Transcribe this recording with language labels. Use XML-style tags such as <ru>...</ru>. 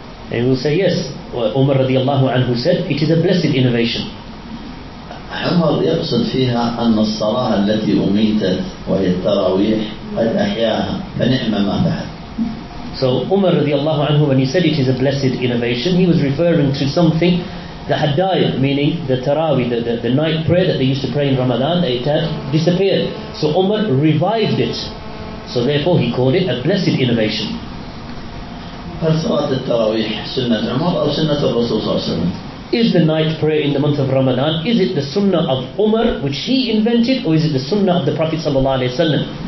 <en>And he will say yes. Umar</en> <ar>radiallahu anhu</ar> <en>said it is a blessed innovation.</en> <ar>عمر يقصد فيها أن الصلاة التي أميتت وهي التراويح قد أحياها فنعم ما بعد.</ar> <en>So Umar</en> <ar>رضي الله عنه</ar> <en>when he said it is a blessed innovation, he was referring to something that had died, meaning the tarawih, the night prayer that they used to pray in Ramadan, it had disappeared. So Umar revived it. So therefore he called it a blessed innovation.</en> <ar>هل صلاة التراويح سنة عمر أو سنة الرسول صلى الله عليه وسلم؟</ar> <en>Is the night prayer in the month of Ramadan, is it the sunnah of Umar which he invented, or is it the sunnah of the Prophet</en> <ar>sallallahu alaihi wasallam?</ar>